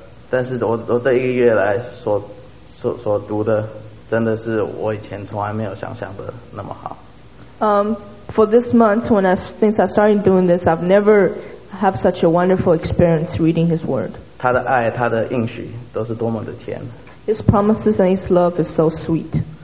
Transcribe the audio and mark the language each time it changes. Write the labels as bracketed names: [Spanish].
[Chinese] 但是我这一个月来所读的，真的是我以前从来没有想象的那么好。 [English] For this month, when since I started doing this, I've never had such a wonderful experience reading His Word. [Chinese] 他的爱，他的应许，都是多么的甜。 [English] His promises and His love is so sweet.